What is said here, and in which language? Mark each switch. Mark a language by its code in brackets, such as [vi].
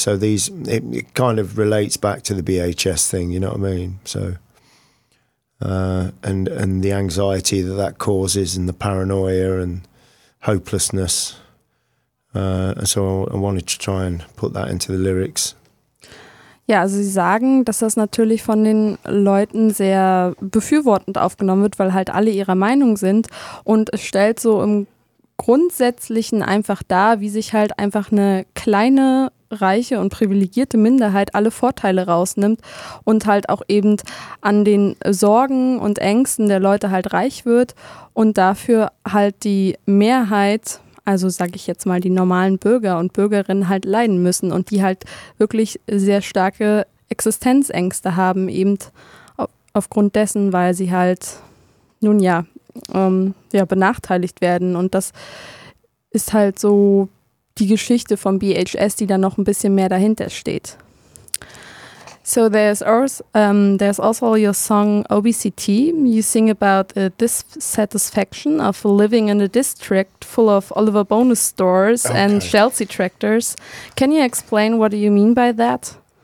[en] So it kind of relates back to the BHS thing, you know what I mean? So, and the anxiety that causes and the paranoia and hopelessness. So I wanted to try and put that into the lyrics. [de] Ja, also Sie sagen, dass das natürlich von den Leuten sehr befürwortend aufgenommen wird, weil halt alle ihrer Meinung sind und es stellt so im Grundsätzlichen einfach da, wie sich halt einfach eine kleine, reiche und privilegierte Minderheit alle Vorteile rausnimmt und halt auch eben an den Sorgen und Ängsten der Leute halt reich wird und dafür halt die Mehrheit, also sag ich jetzt mal die normalen Bürger und Bürgerinnen halt leiden müssen und die halt wirklich sehr starke Existenzängste haben, eben aufgrund dessen, weil sie halt, nun ja, benachteiligt werden. Und das ist halt so die Geschichte von BHS, die da noch ein bisschen mehr dahinter steht. [en] So there's also your song OBCT. You sing about the dissatisfaction of living in a district full of Oliver Bonus stores and Chelsea tractors. Can you explain what do you mean by that?